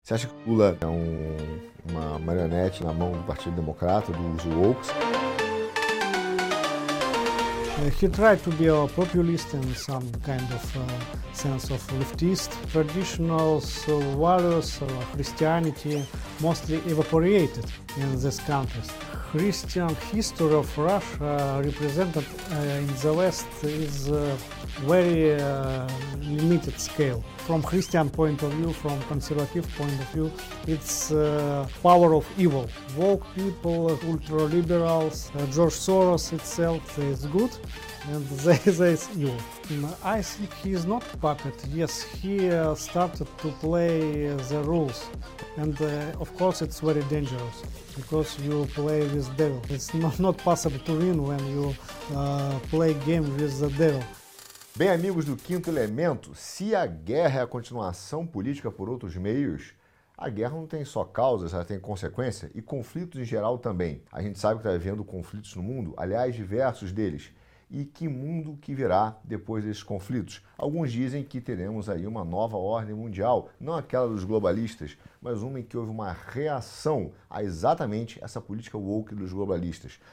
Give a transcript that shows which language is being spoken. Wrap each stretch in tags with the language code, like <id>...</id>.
<pt>Você acha que o Lula é uma marionete na mão do Partido Democrata, dos Wokes?</pt> <en>He tried to be a populist in some kind of sense of leftist traditional values of Christianity mostly evaporated in this country. Christian history of Russia represented in the West is very limited scale. From Christian point of view, from conservative point of view, it's power of evil. Woke people, ultra-liberals, George Soros itself is good, and they is evil. I think he is not puppet. Yes, he started to play the rules. And of course it's very dangerous, because you play with devil. It's not possible to win when you play game with the devil.</en> <pt>Bem, amigos do Quinto Elemento, se a guerra é a continuação política por outros meios, a guerra não tem só causas, ela tem consequência e conflitos em geral também. A gente sabe que está vivendo conflitos no mundo, aliás, diversos deles. E que mundo que virá depois desses conflitos? Alguns dizem que teremos aí uma nova ordem mundial, não aquela dos globalistas, mas uma em que houve uma reação a exatamente essa política woke dos globalistas.</pt>